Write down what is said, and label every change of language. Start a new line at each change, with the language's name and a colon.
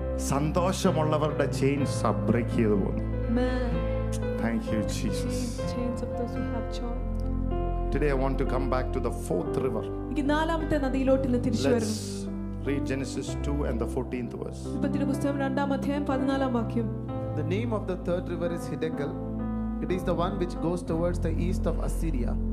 Malayalam: സന്തോഷമുള്ളവരുടെ chains break ചെയ്തു പോകുന്നു.
English: Thank you Jesus. Chains of those who have joy. Today I want to come back to the fourth river.
Malayalam: ഇനി നാലാമത്തെ നദിയിലോട്ട് ഇന്ന് തിരിച്ചു വരും.
English: Read Genesis 2 and the 14th verse.
Malayalam: പത്രോസ് പുസ്തകം രണ്ടാം അധ്യായം 14th വാക്യം.
English: The name of the third river is Hidekel. It is the one which goes towards the east of Assyria.